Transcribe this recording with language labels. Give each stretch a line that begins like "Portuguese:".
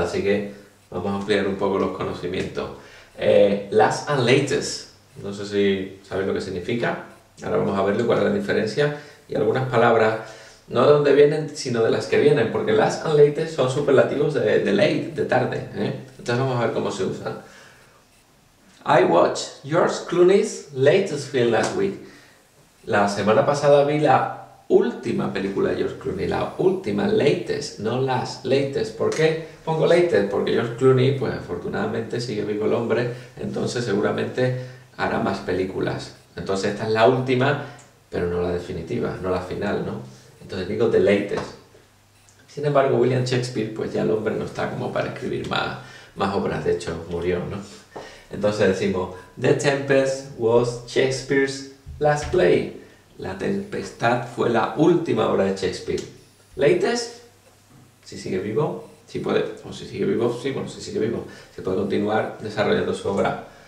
Spanish: Así que vamos a ampliar un poco los conocimientos. Last and latest. No sé si sabéis lo que significa. Ahora vamos a verlo, cuál es la diferencia y algunas palabras. No de dónde vienen, sino de las que vienen, porque last and latest son superlativos de late, de tarde, ¿eh? Entonces vamos a ver cómo se usan.
English: I watched George Clooney's latest film last week.
Spanish: La semana pasada vi la última película de George Clooney, la última, latest, no last, latest. ¿Por qué pongo latest? Porque George Clooney, pues afortunadamente sigue vivo el hombre, entonces seguramente hará más películas. Entonces esta es la última, pero no la definitiva, no la final, ¿no? Entonces digo the latest. Sin embargo, William Shakespeare, pues ya el hombre no está como para escribir más obras, de hecho murió, ¿no? Entonces decimos,
English: The Tempest was Shakespeare's last play.
Spanish: La tempestad fue la última obra de Shakespeare. Latest, si sigue vivo, si puede, o si sigue vivo, sí, bueno, si sigue vivo, si puede continuar desarrollando su obra.